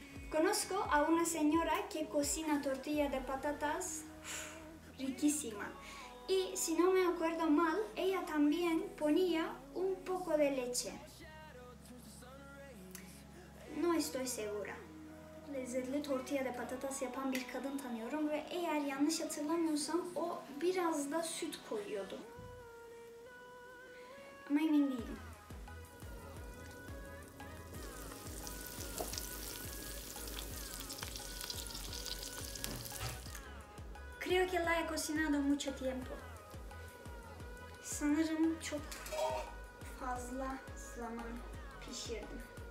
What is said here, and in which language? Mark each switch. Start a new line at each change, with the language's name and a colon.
Spanish: Conozco a una señora que cocina tortilla de patatas riquísima. Y si no me acuerdo mal, ella también ponía un poco de leche. No estoy segura.
Turkish: Lezzetli tortilla de patatas yapan bir kadın tanıyorum ve eğer yanlış hatırlamıyorsam o biraz da süt koyuyordu. Ama emin değilim.
Spanish: Creo que la he cocinado mucho tiempo.
Turkish: Sanırım çok fazla zaman pişirdim.